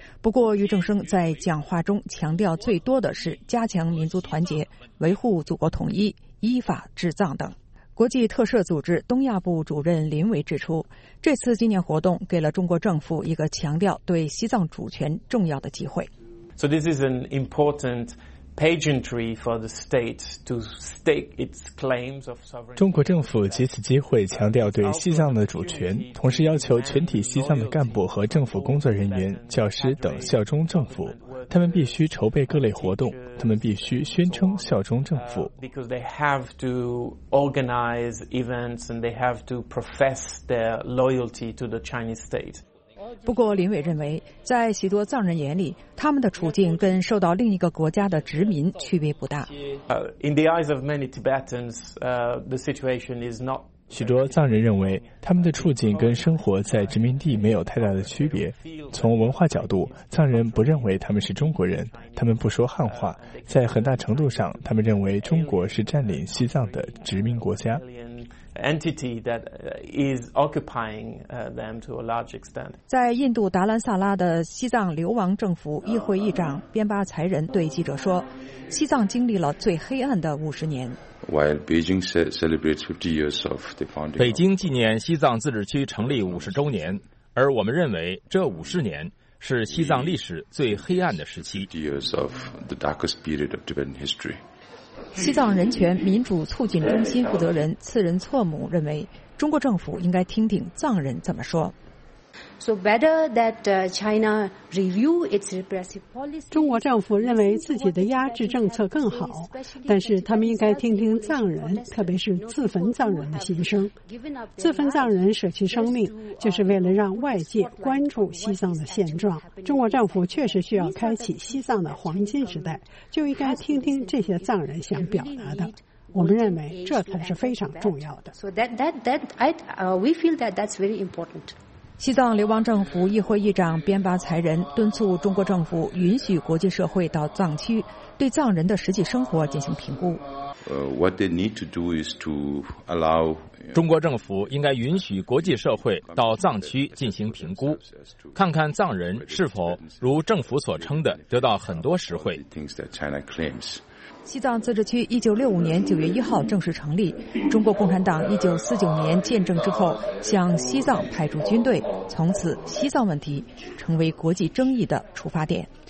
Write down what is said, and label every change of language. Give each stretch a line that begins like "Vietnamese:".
Chinese: 不过俞正声在讲话中强调最多的是加强民族团结，维护祖国统一，依法治藏等。国际特赦组织东亚部主任林维指出，这次纪念活动给了中国政府一个强调对西藏主权重要的机会。
English: So this is an importantpageantry for the state to stake its claims of sovereignty.
Chinese: 中国政府借此机会强调对西藏的主权，同时要求全体西藏的干部和政府工作人员、教师等效忠政府。他们必须筹备各类活动，他们必须宣称效忠政府。
English: Because they have to organize events and they have to profess their loyalty to the Chinese state.
Chinese: 不过林伟认为，在许多藏人眼里，他们的处境跟受到另一个国家的殖民区别不大。
English: In the eyes of many Tibetans, the situation is not.
Chinese: 许多藏人认为，他们的处境跟生活在殖民地没有太大的区别。从文化角度，藏人不认为他们是中国人，他们不说汉话，在很大程度上，他们认为中国是占领西藏的殖民国家。
English: Entity that is occupying them to a large extent.
Chinese: 在印度达兰萨拉的西藏流亡政府议会议长边巴才人对记者说，西藏经历了最黑暗的50年。
English: While Beijing celebrates 50 years of the founding,
Chinese: 北京纪念西藏自治区成立50周年，而我们认为这50年是西藏历史最黑暗的时期。
English: 50 years of the darkest period of Tibetan history.
Chinese: 西藏人权民主促进中心负责人次仁措姆认为，中国政府应该听听藏人怎么说。
English: So better that China review its repressive policy.
Chinese: 中国政府认为自己的压制政策更好，但是他们应该听听藏人，特别是自焚藏人的心声。自焚藏人舍弃生命，就是为了让外界关注西藏的现状。中国政府确实需要开启西藏的黄金时代，就应该听听这些藏人想表达的。我们认为这才是非常重要的。
English: So we feel that that's very important.
Chinese: 西藏流亡政府议会议长边巴才人敦促中国政府允许国际社会到藏区，对藏人的实际生活进行评估。
English: What they need to do is to allow
Chinese: 中国政府应该允许国际社会到藏区进行评估，看看藏人是否如政府所称的得到很多实惠。西藏自治区1965年9月1号正式成立，中国共产党1949年建政之后向西藏派驻军队，从此西藏问题成为国际争议的出发点。